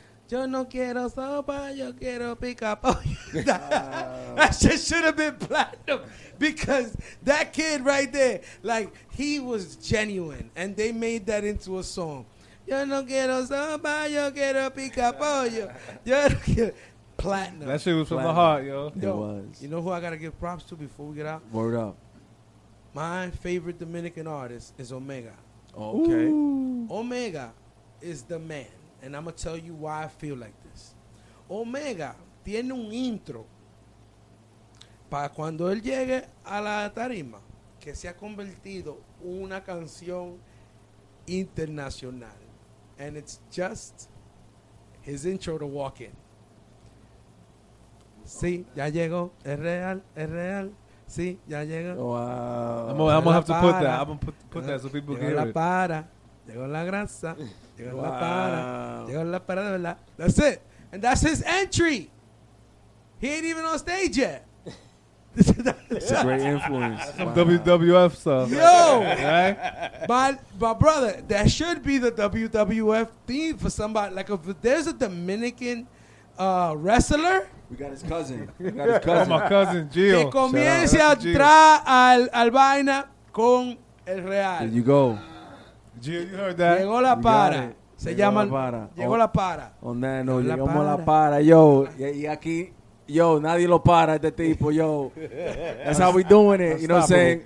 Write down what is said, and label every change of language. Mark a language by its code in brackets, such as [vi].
[en] Yo no quiero sopa, yo quiero pica pollo. That shit should have been platinum. Because that kid right there, like, he was genuine. And they made that into a song. [es] Yo no quiero sopa, yo quiero pica pollo. Yo no quiero... Platinum. [en] That shit was From the heart, yo. It was. You know who I got to give props to before we get out? Word up. My favorite Dominican artist is Omega. Okay. Ooh. Omega is the man. And I'm going to tell you why I feel like this. [es] Omega tiene un intro para cuando él llegue a la tarima que se ha convertido una canción internacional. [en] And it's just his intro to walk in. [es] Sí, ya llegó. Es real. Sí, ya llegó. [en] Wow. I'm going to have to put that so people can hear [es] it. Llegó la grasa. Llegó la para. Llegó la para de verdad. [en] That's it. And that's his entry. He ain't even on stage yet. Great influence. Some WWF stuff. Yo. Right? My brother, that should be the WWF theme for somebody. Like, if there's a Dominican wrestler... We got his cousin. Oh, my cousin, Gio. [es] Que comience a entrar al vaina con el Real. [en] There you go. Gio, you heard that. [es] Llegó la para. Se llama... Llegó la para. Oh, nano, llegamos la para, yo. Y aquí, yo, nadie lo para, este tipo, yo. [en] That's how we doing it, you know what I'm saying?